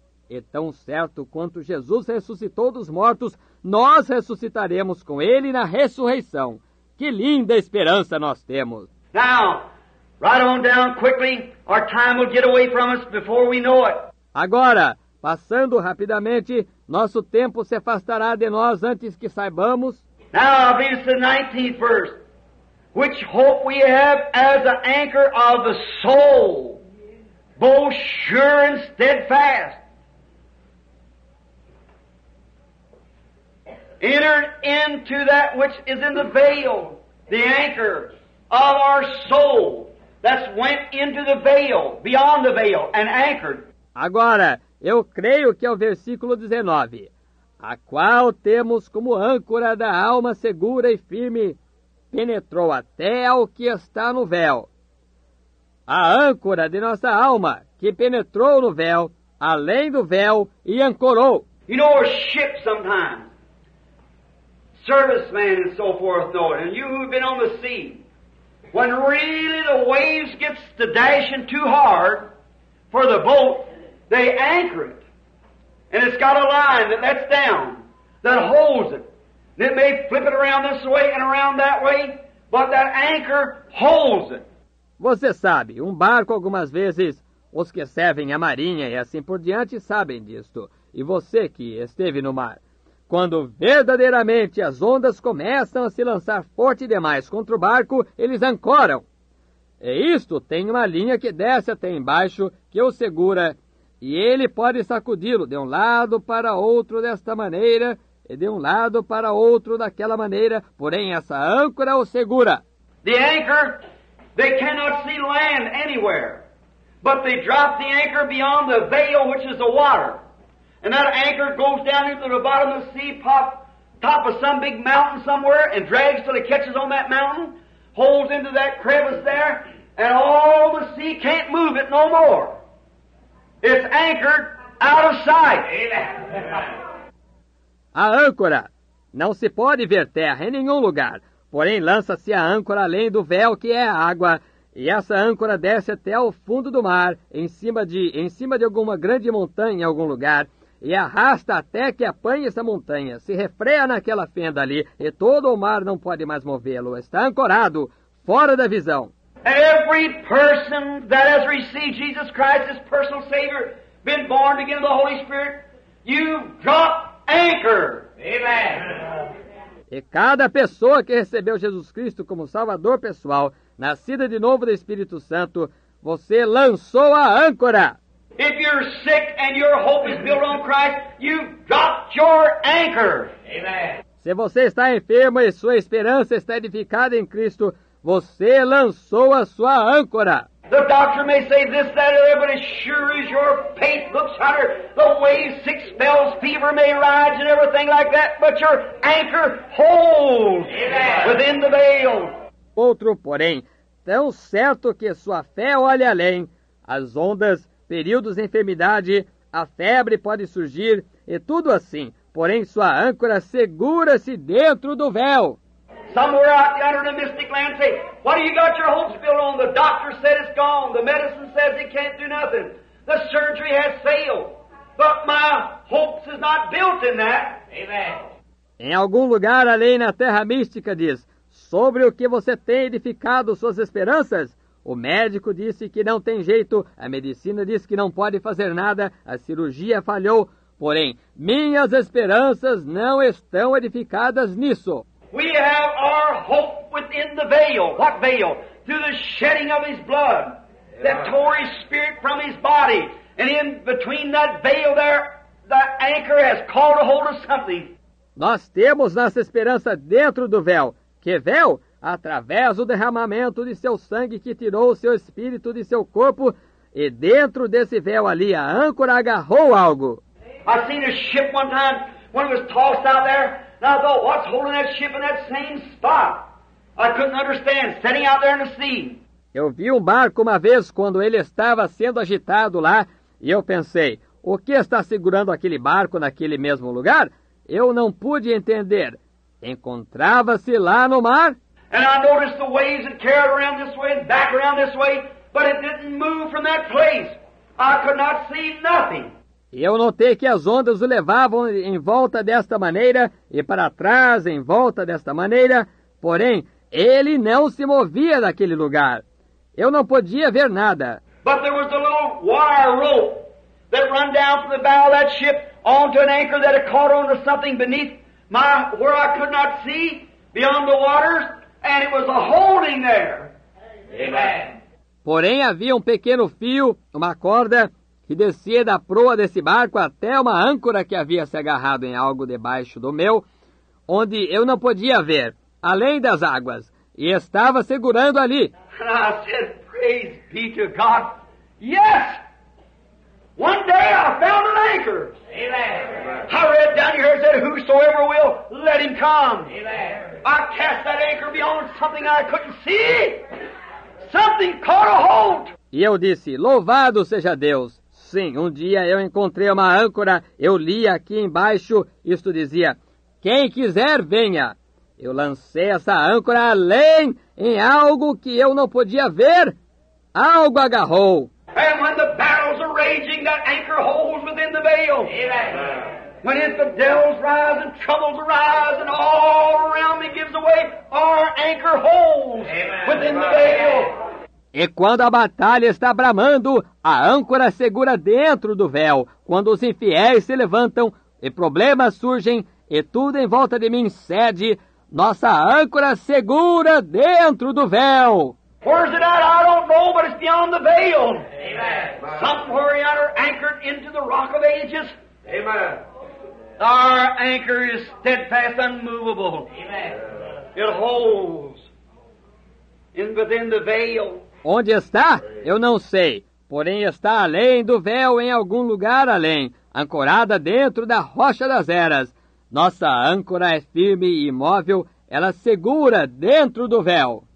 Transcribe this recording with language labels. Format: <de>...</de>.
<pt>E tão certo quanto Jesus ressuscitou dos mortos, nós ressuscitaremos com ele na ressurreição. Que linda esperança nós temos!</pt> <en>Now, right on down quickly, our time will get away from us before we know it.</en> <pt>Agora, passando rapidamente, nosso tempo se afastará de nós antes que saibamos.</pt> <en>Now, I believe it's the 19th verse. Which hope we have as an anchor of the soul, both sure and steadfast. Entered into that which is in the veil, the anchor of our soul, that's went into the veil, beyond the veil, and anchored.</en> <pt>Agora, eu creio que é o versículo 19, a qual temos como âncora da alma segura e firme, penetrou até ao que está no véu. A âncora de nossa alma, que penetrou no véu, além do véu, e ancorou.</pt> <en>You know, a ship sometimes, servicemen and so forth know it, and you who've been on the sea, when really the waves gets to dashing too hard for the boat, they anchor it, and it's got a line that lets down, that holds it. It may flip it around this way and around that way, but that anchor holds it.</en> <pt>Você sabe, barco algumas vezes, os que servem a marinha e assim por diante sabem disto. E você que esteve no mar, quando verdadeiramente as ondas começam a se lançar forte demais contra o barco, eles ancoram. E isto tem uma linha que desce até embaixo, que o segura, e ele pode sacudi-lo de lado para outro desta maneira, e de lado para outro daquela maneira, porém essa âncora o segura.</pt> <en>The anchor, they cannot see land anywhere, but they drop the anchor beyond the veil, which is the water. And that anchor goes down into the bottom of the sea, top of some big mountain somewhere, and drags till it catches on that mountain, holds into that crevice there, and all the sea can't move it no more. It's anchored out of sight. Amen.</en> <pt>A âncora. Não se pode ver terra em nenhum lugar, porém lança-se a âncora além do véu, que é a água, e essa âncora desce até o fundo do mar, em cima de alguma grande montanha em algum lugar, e arrasta até que apanhe essa montanha, se refreia naquela fenda ali, e todo o mar não pode mais movê-lo, está ancorado, fora da visão.</pt> <en>Every person that has received Jesus Christ as personal Savior, been born again of the Holy Spirit, you've dropped anchor. Amen.</en> <pt>E cada pessoa que recebeu Jesus Cristo como Salvador pessoal, nascida de novo do Espírito Santo, você lançou a âncora.</pt> <en>If you're sick and your hope is built on Christ, you've dropped your anchor. Amen.</en> <pt>Se você está enfermo e sua esperança está edificada em Cristo, você lançou a sua âncora.</pt> <en>The doctor may say this, that, or that, but as sure as your faith looks hotter, the waves, six bells, fever may rise and everything like that, but your anchor holds. Amen. Within the veil.</en> <pt>Outro, porém, tão certo que sua fé olha além, as ondas, períodos de enfermidade, a febre pode surgir, e tudo assim, porém sua âncora segura-se dentro do véu.</pt> <en>Somewhere out there in a mystic land, say, what do you got your hopes built on? The doctor said it's gone. The medicine says it can't do nothing. The surgery has failed. But my hopes is not built in that. Amen.</en> <pt>Em algum lugar além na terra mística diz, sobre o que você tem edificado suas esperanças? O médico disse que não tem jeito. A medicina diz que não pode fazer nada. A cirurgia falhou. Porém, minhas esperanças não estão edificadas nisso.</pt> <en>We have our hope within the veil. What veil? Through the shedding of his blood that tore his spirit from his body. And in between that veil there, the anchor has caught a hold of something.</en> <pt>Nós temos nossa esperança dentro do véu. Que véu? através do derramamento de seu sangue que tirou o seu espírito de seu corpo, e dentro desse véu ali a âncora agarrou algo.</pt> <en>I seen a ship one time when it was tossed out there, and I thought, what's holding that ship in that same spot? I couldn't understand, sitting out there in the sea.</en> <pt>Eu vi um barco uma vez quando ele estava sendo agitado lá, e eu pensei, o que está segurando aquele barco naquele mesmo lugar? Eu não pude entender. Encontrava-se lá no mar.</pt> <en>And I noticed the waves that carried around this way and back around this way, but it didn't move from that place. I could not see nothing.</en> <pt>E eu notei que as ondas o levavam em volta desta maneira e para trás em volta desta maneira, porém, ele não se movia daquele lugar. Eu não podia ver nada.</pt> <en>But there was a little wire rope that run down from the bow of that ship onto an anchor that had caught onto something beneath my, where I could not see beyond the waters, and it was a holding there. Amen.</en> <pt>Porém, havia um pequeno fio, uma corda, que descia da proa desse barco até uma âncora que havia se agarrado em algo debaixo do meu, onde eu não podia ver, além das águas, e estava segurando ali.</pt> <en>And I said, praise be to God. Yes! One day I found an anchor. Amen. I read down here, it said, whosoever will, let him come. Amen. I cast that anchor beyond something I couldn't see. Something caught a hold.</en> <pt>E eu disse, louvado seja Deus. Sim, um dia eu encontrei uma âncora, eu li aqui embaixo, isto dizia, quem quiser, venha. Eu lancei essa âncora além, em algo que eu não podia ver. Algo agarrou.</pt> <en>And when the battles are raging, that anchor holds within the veil. Amen. When infidels rise and troubles arise and all around me gives away, our anchor holds. Amen. Within the veil.</en> <pt>E quando a batalha está bramando, a âncora segura dentro do véu. Quando os infiéis se levantam e problemas surgem e tudo em volta de mim cede, nossa âncora segura dentro do véu.</pt> <en>Where's it at? I don't know, but it's beyond the veil. Amen. Somewhere out or anchored into the rock of ages. Amen. Our anchor is steadfast, unmovable. Amen. It holds in within the veil.</en> <pt>Onde está? Eu não sei. Porém, está além do véu, em algum lugar além, ancorada dentro da rocha das eras. Nossa âncora é firme e imóvel, ela segura dentro do véu.</pt>